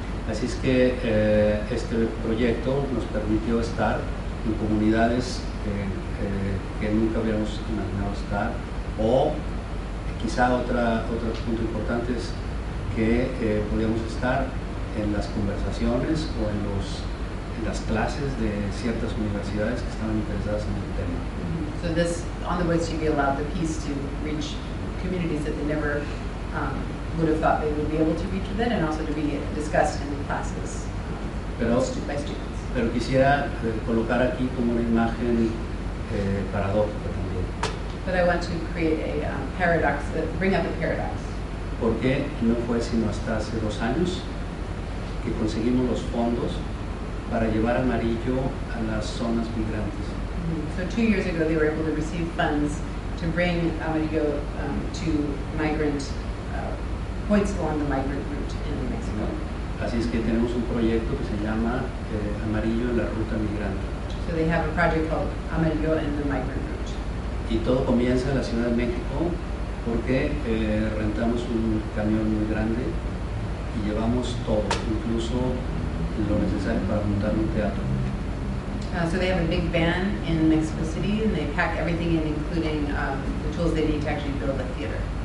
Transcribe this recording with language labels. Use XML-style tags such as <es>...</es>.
<es>Así es que este proyecto nos permitió estar en comunidades que nunca habíamos imaginado estar, o quizá otro punto importante es que podíamos estar en las conversaciones o en las clases de ciertas universidades que estaban interesadas en el tema. Mm-hmm.</es> <en>So this, On the Boards TV, allowed the piece to reach communities that they never would have thought they would be able to reach within, and also to be discussed in classes by students.</en> <es>Pero quisiera colocar aquí como una imagen paradójica también.</es> <en>But I want to create a paradox, bring up a paradox.</en> <es>¿Por qué no fue sino hasta hace dos años que conseguimos los fondos para llevar amarillo a las zonas migrantes?</es> <en>So 2 years ago, they were able to receive funds to bring amarillo to migrant points along the migrant route in Mexico.</en> <es>Así es que tenemos un proyecto que se llama Amarillo en la Ruta Migrante.</es> <en>So they have a project called Amarillo in the Migrant Route.</en> <es>Y todo comienza en la Ciudad de México porque rentamos un camión muy grande y llevamos todo, incluso lo necesario para montar un teatro.</es> <en>So they have a big van in Mexico City and they pack everything in, including the tools they need to actually build a theater.</en>